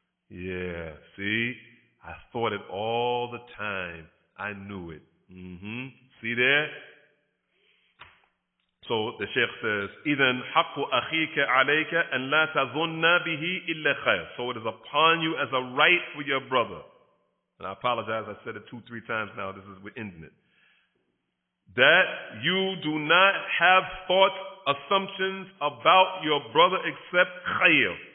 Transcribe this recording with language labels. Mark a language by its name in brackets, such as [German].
[English] Yeah, see, I thought it all the time. I knew it. See there? So the Sheikh says, [Arabic] إِذَنْ حَقُّ أَخِيكَ عَلَيْكَ أَنْ لَا تَظُنَّ بِهِ إِلَّا خَيْرٍ. [English] So it is upon you as a right for your brother. And I apologize, I said it 2-3 times now. This is, we're ending it. That you do not have thoughts, assumptions about your brother except خَيْر.